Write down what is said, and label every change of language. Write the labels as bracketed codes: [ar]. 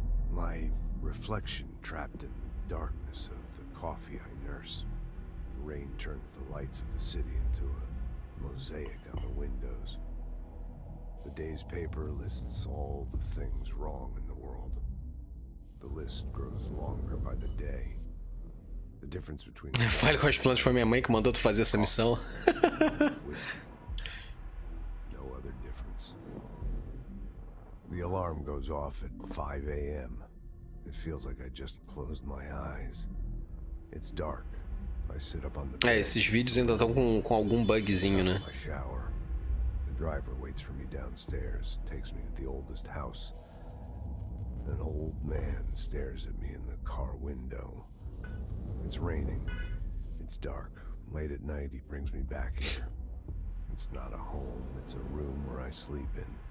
[en] My reflection trapped in the darkness of the coffee I nurse. Rain turned the lights of the city into a mosaic on the windows. The day's paper lists all the things wrong in the world. The list grows longer by the day. The difference between [pt] Fale com as plantas, foi minha mãe que mandou tu fazer essa missão. [en] No other difference. The alarm goes off at 5 a.m. It feels like I just closed my eyes. It's dark. [pt] Esses vídeos ainda estão com algum bugzinho, né? [en] I shower. The driver waits for me downstairs, takes me to the oldest house. An old man stares at me in the car window. It's raining. It's dark. Late at night he brings me back here. It's not a home, it's a room where I sleep in.